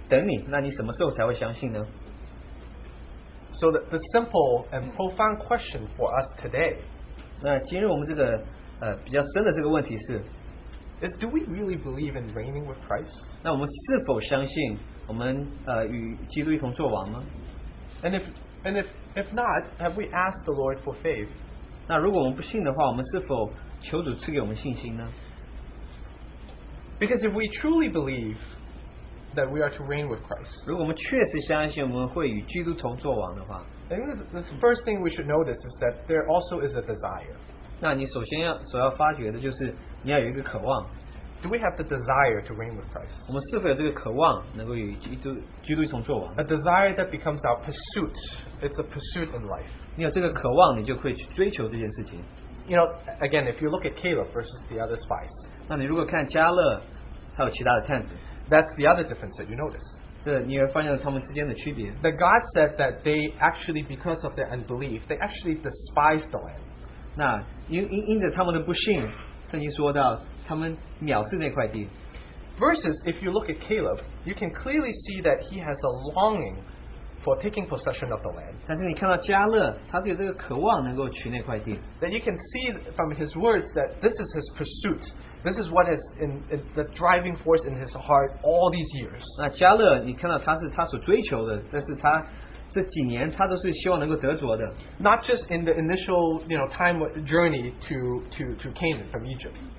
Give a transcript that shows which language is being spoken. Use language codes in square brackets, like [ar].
[zh] 好像是神对我说是，我在等你，那你什么时候才会相信呢？ [en] So the simple and profound question for us today, [zh] 那今日我们这个比较深的这个问题是, [en] is do we really believe in reigning with Christ? [zh] 那我们是否相信我们与基督一同作王吗? [en] And if not, have we asked the Lord for faith? [zh] 那如果我们不信的话，我们是否求主赐给我们信心呢? [en] Because if we truly believe that we are to reign with Christ, the first thing we should notice is that there also is a desire. [zh] 那你首先要发掘的就是你要有一个渴望。 [en] Do we have the desire to reign with Christ? [zh] 我们是否有这个渴望能够与基督一同作王? [en] A desire that becomes our pursuit. It's a pursuit in life. [zh] 你有这个渴望，你就会去追求这件事情。 [en] You know, again, if you look at Caleb versus the other spies, [zh] 那你如果看加勒还有其他的探子, [en] that's the other difference that you notice. That God said that they actually, because of their unbelief, they actually despised the land. [zh] 那因着他们的不信, 圣经说到他们藐视那块地。 [en] Versus, if you look at Caleb, you can clearly see that he has a longing for taking possession of the land. [zh] 但是你看到加勒, [en] that you can see from his words that this is his pursuit. This is what is in the driving force in his heart all these years. [zh] 那加勒，你看到他是他所追求的，但是他这几年他都是希望能够得着的。 [en] Not just in the initial, you know, time journey to Canaan from Egypt.